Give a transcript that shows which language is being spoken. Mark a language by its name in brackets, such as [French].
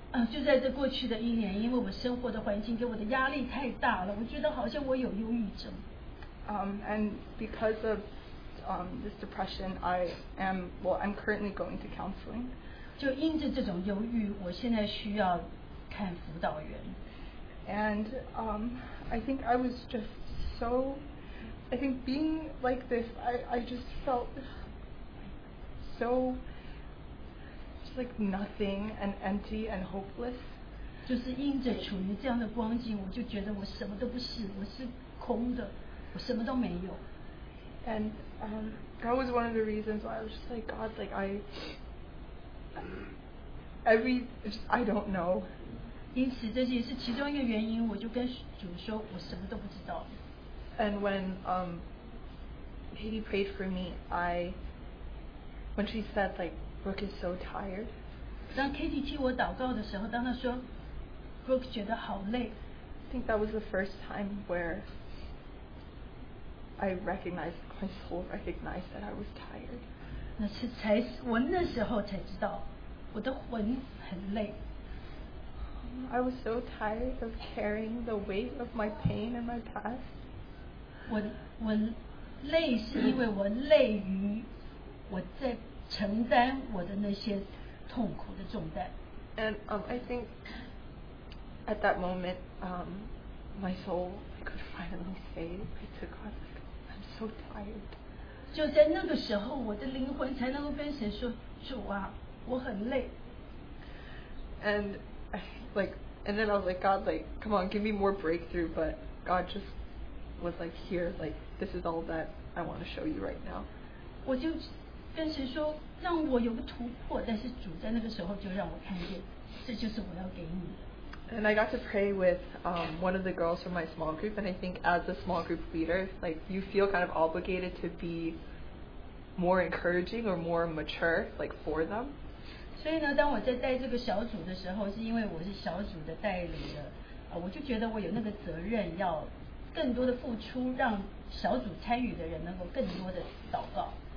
[Chinese] 就在这过去的一年，因为我生活的环境给我的压力太大了，我觉得好像我有忧郁症。 [English] And because of this depression, I'm currently going to counseling. [Chinese] 就因着这种忧郁，我现在需要看辅导员。 [English] And I think I was just so, I think being like this, I just felt so, just like nothing and empty and hopeless. [Chinese] 就是因着处于这样的光景，我就觉得我什么都不是，我是空的，我什么都没有。 [English] And that was one of the reasons why I was just like, God, like I don't know. [Chinese] 因此这也是其中一个原因，我就跟主说我什么都不知道。 [English] And when Haiti prayed for me, when she said like Brooke is so tired. [Chinese] 当 Katie 替我祷告的时候，当她说 Brooke 觉得好累。 [English] I think that was the first time where I recognized, my soul recognized that I was tired. [Chinese] 那是才我那时候才知道我的魂很累。 [English] I was so tired of carrying the weight of my pain and my past. [Chinese] 我累是因为我累于我在承担我的那些痛苦的重担。 [English] And I think at that moment, my soul could finally say to God, "I'm so tired." [Chinese] 就在那个时候，我的灵魂才能够跟神说：“主啊，我很累。” [English] And like, and then I was like, God, like, come on, give me more breakthrough. But God just was like, here, like, this is all that I want to show you right now. [Chinese] 我就跟神说，让我有个突破。但是主在那个时候就让我看见，这就是我要给你的。 [English] And I got to pray with one of the girls from my small group. And I think as a small group leader, like, you feel kind of obligated to be more encouraging or more mature, like, for them. [Chinese] 所以呢，当我在带这个小组的时候，是因为我是小组的带领的，我就觉得我有那个责任，要更多的付出，让小组参与的人能够更多的祷告。